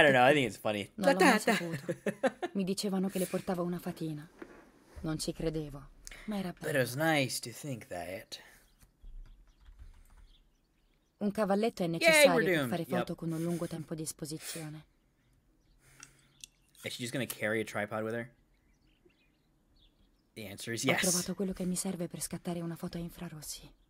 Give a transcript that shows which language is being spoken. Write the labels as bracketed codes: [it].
[en] I don't know, I think it's funny. [it] La tata. Mi dicevano che le portava una fatina. Non ci credevo, ma era bello. [en] But it's nice to think that. [it] Un cavalletto è necessario per fare foto con un lungo tempo di esposizione. [en] Is she just gonna carry a tripod with her? The answer is yes. [it] Ho trovato quello che mi serve per scattare una foto a infrarossi.